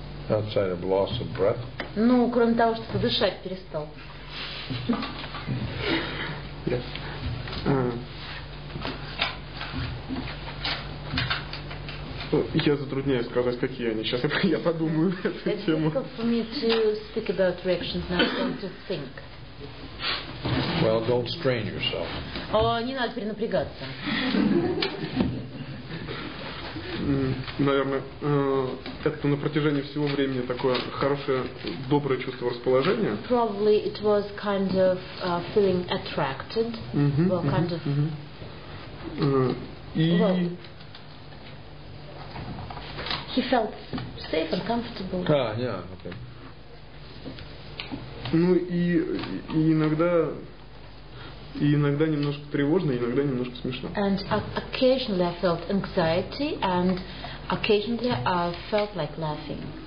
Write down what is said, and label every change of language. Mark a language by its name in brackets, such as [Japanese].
[English] Outside of loss of breath. [Russian] Ну, кроме того, что ты дышать перестал. Я затрудняюсь сказать, какие они сейчас. Я подумаю на эту тему. [English] It's difficult for me to speak about reactions now. I want to think. Well, don't strain yourself. [Russian] Не надо перенапрягаться. Наверное, это на протяжении всего времени такое хорошее, доброе чувство расположения. [English] Probably it was kind of feeling attracted. Mm-hmm, well, kind mm-hmm, of. [Russian] И [English] well, he felt safe and comfortable. [Russian] Да, [English] yeah, okay. [Russian] Ну и иногда немножко тревожно, иногда немножко смешно. [English] And occasionally I felt anxiety, and occasionally I felt like laughing.